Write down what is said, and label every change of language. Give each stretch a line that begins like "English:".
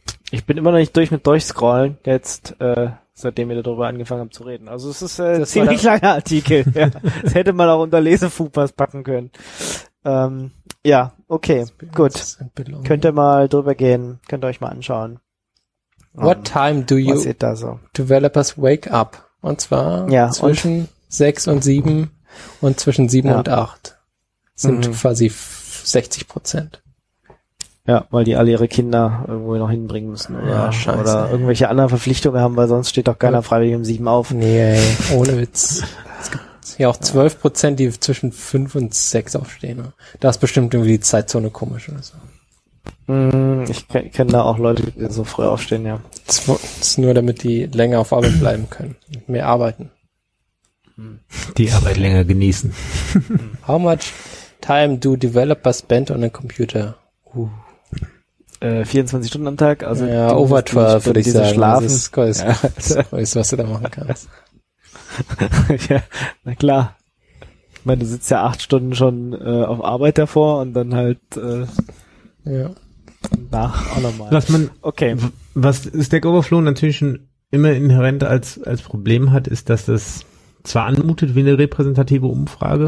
German: Ich bin immer noch nicht durch mit Durchscrollen, jetzt seitdem wir darüber angefangen haben zu reden. Also es ist ein ziemlich langer Artikel. Ja. Das hätte man auch unter Lesefupas packen können. Ja, okay, gut. Könnt ihr mal drüber gehen, könnt ihr euch mal anschauen.
English: What time do you developers wake up?
German: Und zwar zwischen 6 und 7 und zwischen 7 und 8 sind quasi 60%. Ja, weil die alle ihre Kinder irgendwo noch hinbringen müssen oder irgendwelche anderen Verpflichtungen haben, weil sonst steht doch keiner freiwillig um 7 auf. Nee, ohne Witz. Es gibt ja auch 12%, die zwischen 5 und 6 aufstehen. Ne? Da ist bestimmt irgendwie die Zeitzone komisch oder so. Ich kenne da auch Leute, die so früh aufstehen, ja. Das ist nur, damit die länger auf Arbeit bleiben können. Mehr arbeiten. Die Arbeit länger genießen.
English: How much time do developers spend on a computer?
German: 24 Stunden am Tag. Also ja,
English: over 12,
German: würde ich sagen. Schlafen. Das ist cool, das ist, was du da machen kannst. Ja, na klar. Ich meine, du sitzt ja 8 Stunden schon auf Arbeit davor und dann halt... Was man, was Stack Overflow natürlich schon immer inhärent als Problem hat, ist, dass das zwar anmutet wie eine repräsentative Umfrage.